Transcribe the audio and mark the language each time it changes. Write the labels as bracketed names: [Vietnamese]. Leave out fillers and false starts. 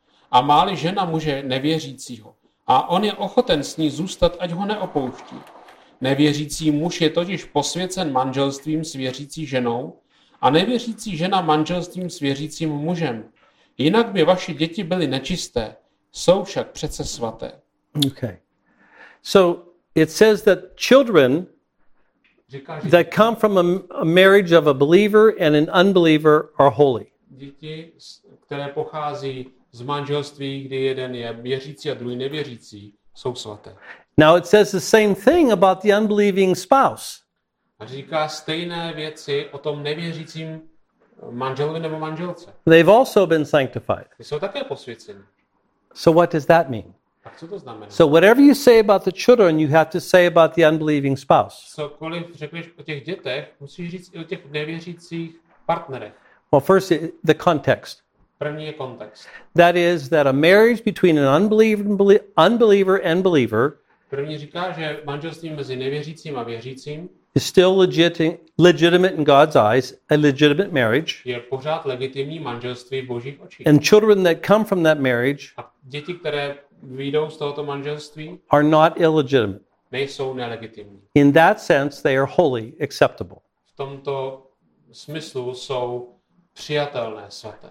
[Czech] A má-li žena muže nevěřícího a on je ochoten s ní zůstat, ať ho neopouští. Nevěřící muž je totiž posvěcen manželstvím s věřící ženou a nevěřící žena manželstvím s věřícím mužem. Jinak by vaše děti byly nečisté, jsou však přece svaté. Okay. [English] So it says that children that come from a marriage of a believer and an unbeliever are holy. [Czech] Děti, které pochází z manželství, kdy jeden je věřící a druhý nevěřící, jsou svaté. [English] Now it says the same thing about the unbelieving spouse. [Czech] A říká stejné věci o tom nevěřícím manželovi nebo manželce. [English] They've also been sanctified. [Czech] Jsou také posvěceni. [English] So what does that mean? [Czech] Tak co to znamená? [English] So whatever you say about the children, you have to say about the unbelieving spouse. [Czech] Cokoliv řekneš o těch dětech, musíš říct i o těch nevěřících partnerech. [English] Well, first the context. [Czech] První je kontext. [English] That is that a marriage between an unbeliever and believer. [Czech] První říká, že manželství mezi nevěřícím a věřícím [English] is still legitimate in God's eyes, a legitimate marriage. [Czech] Je pořád legitimní manželství v Božích očích. [English] And children that come from that marriage, [Czech] a děti, které vyjdou z tohoto manželství, [English] are not illegitimate. [Czech] Nejsou nelegitimní. [English] In that sense, they are holy, acceptable. [Czech] V tomto smyslu jsou přijatelné, svaté.